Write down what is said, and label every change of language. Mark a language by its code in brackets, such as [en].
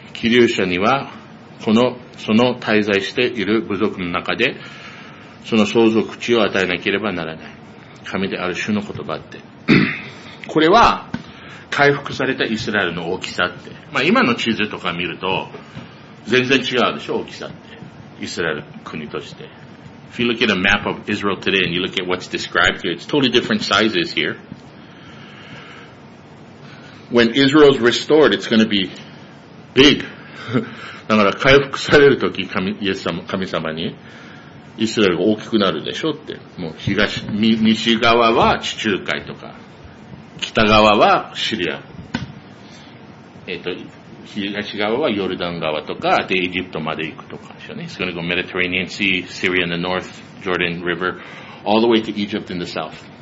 [ja] 起立者には、その滞在している部族の中で、その相続地を与えなければならない。神である主の言葉って。これは、回復されたイスラエルの大きさって。まあ今の地図とか見ると、全然違うでしょ、大きさって。イスラエル国として。 [en] If you look at a map of Israel today and you look at what's described here, it's totally different sizes here. When Israel is restored, it's going to be big. [ja] だから回復されるとき、神様に、イスラエルが大きくなるでしょって。もう西側は地中海とか、北側はシリア。東側はヨルダン側とか、で、エジプトまで行くとかですよね。 [en] It's going to go Mediterranean Sea, Syria in the north, Jordan River, all the way to Egypt in the south.